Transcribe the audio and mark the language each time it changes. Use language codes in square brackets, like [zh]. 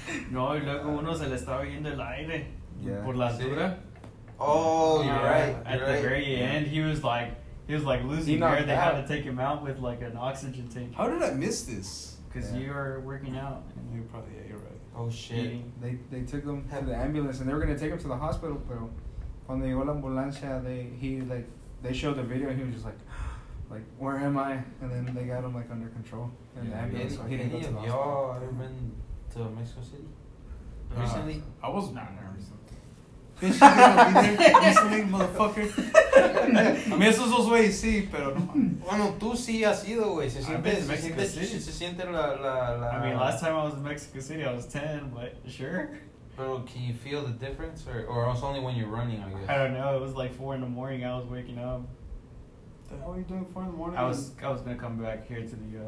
[es] No, y luego uno se le estaba yendo el aire. [en] Yeah. [es] Por la altura. [en] Oh, you're right. At the very end, he was like losing air. They had to take him out with like an oxygen tank. How did I miss this? Because you are working out. And you probably, you're right. Oh, shit. They took him to the ambulance, and they were going to take him to the hospital, [es] pero cuando llegó la ambulancia, [en] they showed the video, and he was just like, where am I? And then they got him, like, under control in the ambulance, so he didn't go to the hospital. Y'all ever been to Mexico City? Recently? I was not there recently. Bitch, you're going to be there recently, motherfucker. [es] A mí esos dos güeyes sí, pero no. Bueno, tú sí has ido, güey. Se siente, se siente la. [en] I mean, last time I was in Mexico City, I was 10, but sure. Pero can you feel the difference, or it's only when you're running, I guess. I don't know. It was like 4 a.m. I was waking up. The hell are you doing 4 a.m? I was gonna come back here to the U.S.